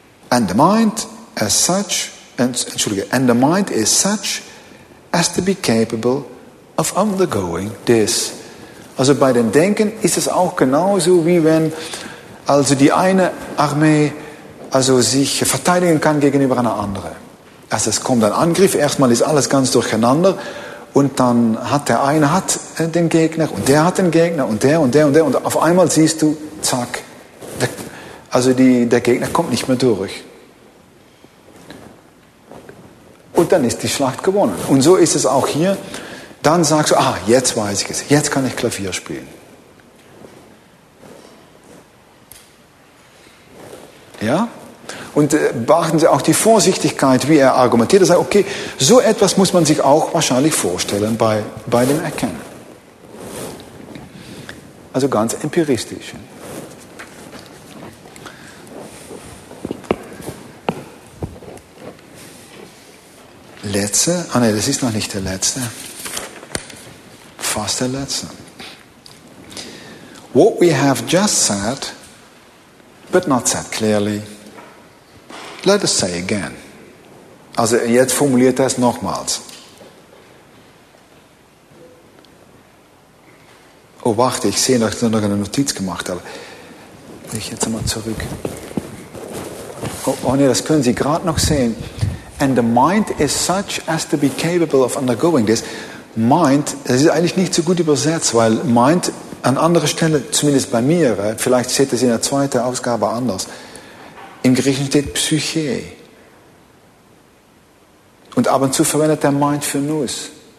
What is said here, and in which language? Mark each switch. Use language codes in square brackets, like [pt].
[en] And the mind as such, and the mind is such as to be capable of undergoing this. [de] Also bei dem Denken ist es auch genauso, wie wenn also die eine Armee also sich verteidigen kann gegenüber einer anderen. Also es kommt ein Angriff, erstmal ist alles ganz durcheinander, und dann hat der eine hat den Gegner und der hat den Gegner und der und der und der und auf einmal siehst du, zack, der Gegner kommt nicht mehr durch. Und dann ist die Schlacht gewonnen. Und so ist es auch hier. Dann sagst du, ah, jetzt weiß ich es, jetzt kann ich Klavier spielen. Ja? Und beachten Sie auch die Vorsichtigkeit, wie er argumentiert. Er sagt, okay, so etwas muss man sich auch wahrscheinlich vorstellen bei dem Erkennen. Also ganz empiristisch. Letzte, ah nein, das ist noch nicht der letzte. Fast der letzte. [en] What we have just said, but not said clearly, let us say again. [de] Also jetzt formuliert er es nochmals. Oh, warte, ich sehe, dass ich noch eine Notiz gemacht habe. Ich jetzt einmal zurück. Oh, nee, das können Sie gerade noch sehen. [en] And the mind is such as to be capable of undergoing this. [de] Mind, das ist eigentlich nicht so gut übersetzt, weil mind an anderer Stelle, zumindest bei mir, vielleicht steht das in der zweiten Ausgabe anders, im Griechischen steht Psyche. Und ab und zu verwendet der Mind für Nuss.